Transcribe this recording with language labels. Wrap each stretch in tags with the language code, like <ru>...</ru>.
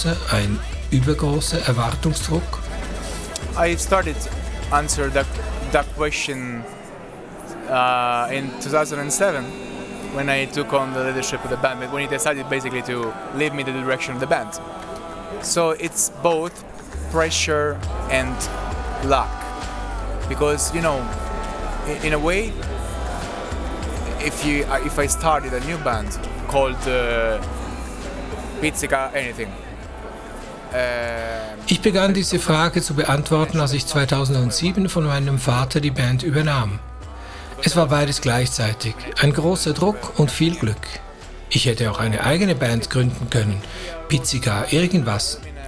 <de>Ein übergroßer Erwartungsdruck?</de> <en>I started answer that question in 2007. When I took on the leadership of the band, when he decided basically to leave me the direction of the band. So it's both pressure and luck. Because, you know, in a way, if I started a new band called Pizzica anything.</en> <de>Ich begann diese Frage zu beantworten, als ich 2007 von meinem Vater die Band übernahm. Es war beides gleichzeitig. Ein großer Druck und viel Glück. Ich hätte auch eine eigene Band gründen können. Pizzica, irgendwas.</de>